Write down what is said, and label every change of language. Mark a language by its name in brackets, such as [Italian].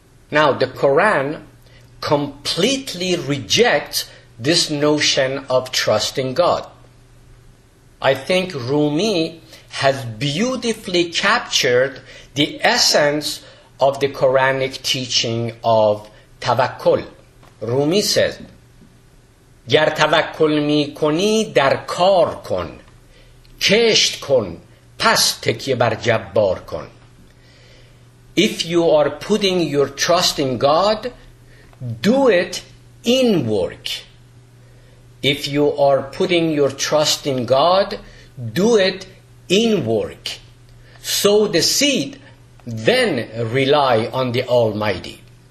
[English] Now, the Quran completely rejects this notion of trusting God. I think Rumi has beautifully captured the essence of the Quranic teaching of tawakkul. Rumi says, [Persian] گر توکل می کنی در کار کن، کشت کن، پس تکیه بر جبار کن. [English] If you are putting your trust in God, do it in work. If you are putting your trust in God, do it in work. Sow the seed, then rely on the Almighty.